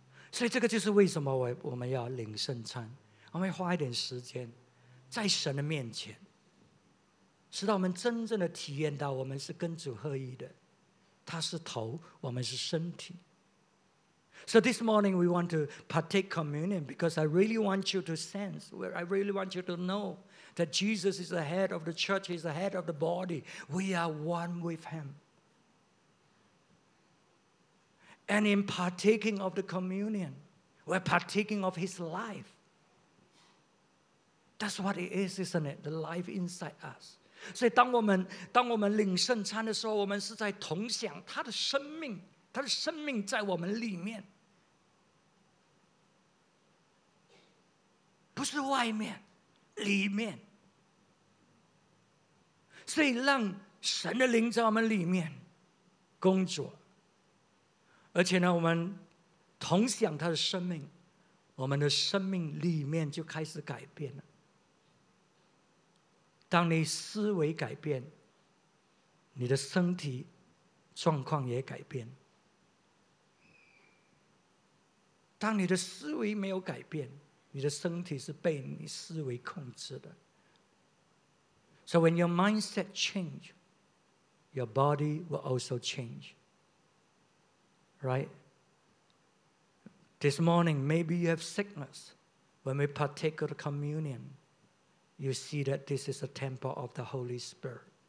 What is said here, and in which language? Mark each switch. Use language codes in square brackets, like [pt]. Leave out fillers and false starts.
[zh] 所以这个就是为什么我们要领圣餐，我们要花一点时间在神的面前，使到我们真正的体验到我们是跟主合一的，他是头，我们是身体。 [en] So this morning we want to partake communion because I really want you to sense, where I really want you to know that Jesus is the head of the church, He's the head of the body. We are one with Him. And in partaking of the communion, we're partaking of His life. That's what it is, isn't it? The life inside us. [zh] 所以当我们领圣餐的时候，我们是在同享他的生命，他的生命在我们里面，不是外面，里面。所以让神的灵在我们里面工作，而且呢，我们同享他的生命，我们的生命里面就开始改变了。当你思维改变，你的身体状况也改变。当你的思维没有改变，你的身体是被你思维控制的。 [en] So when your mindset change, your body will also change. Right? This morning, maybe you have sickness. When we partake of the communion, you see that this is a temple of the Holy Spirit.